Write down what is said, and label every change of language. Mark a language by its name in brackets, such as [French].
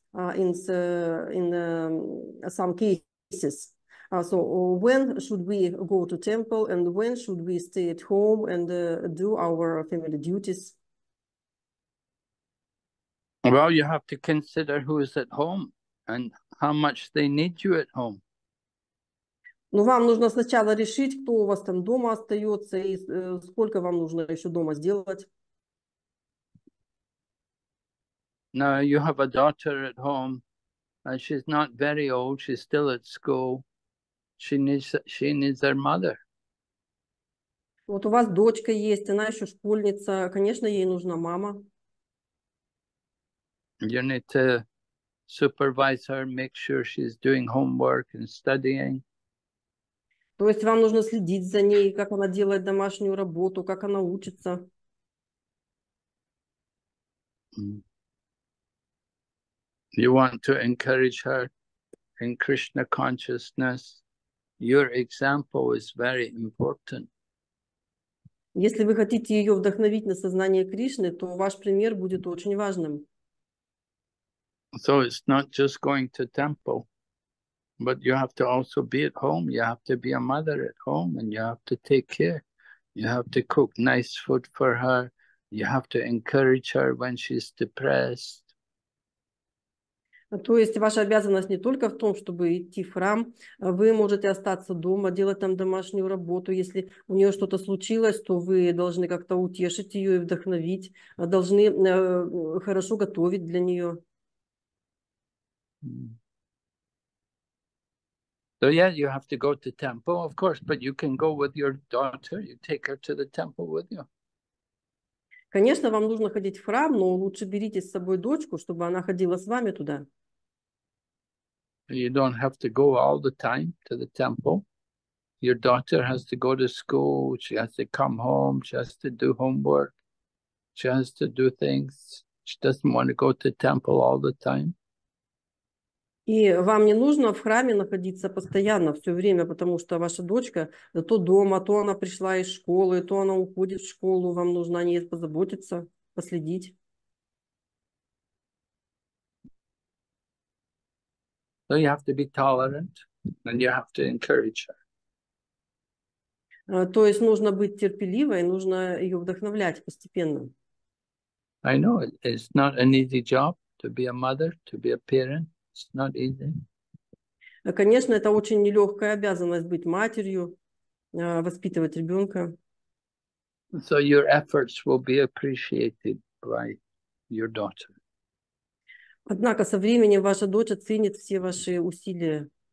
[English] In some cases. So when should we go to temple and when should we stay at home and do our family duties? Well, you have to consider who is at home and how much they need you at home. [Russian] Ну, вам нужно сначала решить, кто у вас там дома остается и сколько вам нужно еще дома сделать. [English] Now you have a daughter at home, and she's not very old. She's still at school. She needs her mother. [Russian] Вот у вас дочка есть, она еще школьница. Конечно, ей нужна мама. [English] You need to supervise her, make sure she's doing homework and studying. [Russian] То есть вам нужно следить за ней, как она делает домашнюю работу, как она учится. [English] You want to encourage her in Krishna consciousness. Your example is very important. [Russian] Если вы хотите ее вдохновить на сознание Кришны, то ваш пример будет очень важным. [English] So it's not just going to temple, but you have to also be at home. You have to be a mother at home, and you have to take care. You have to cook nice food for her. You have to encourage her when she's depressed. [Russian] То есть ваша обязанность не только в том, чтобы идти в храм, вы можете остаться дома, делать там домашнюю работу. Если у нее что-то случилось, то вы должны как-то утешить ее и вдохновить, должны хорошо готовить для нее. [English] So yeah, you have to go to temple, of course, but you can go with your daughter, you take her to the temple with you. [Russian] Конечно, вам нужно ходить в храм, но лучше берите с собой дочку, чтобы она ходила с вами туда. [English] You don't have to go all the time to the temple. Your daughter has to go to school, she has to come home, she has to do homework, she has to do things. She doesn't want to go to temple all the time. [Russian] И вам не нужно в храме находиться постоянно все время, потому что ваша дочка то дома, то она пришла из школы, то она уходит в школу. Вам нужно о ней позаботиться, последить. [English] So you have to be tolerant, and you have to encourage her. [Russian] То есть нужно быть терпеливой, нужно ее вдохновлять постепенно. [English] I know it's not an easy job to be a mother, to be a parent. It's not easy. [Russian] Конечно, это очень нелегкая обязанность быть матерью, воспитывать ребенка. [English] So your efforts will be appreciated by your daughter. [Russian] Однако со временем ваша дочь оценит все ваши усилия.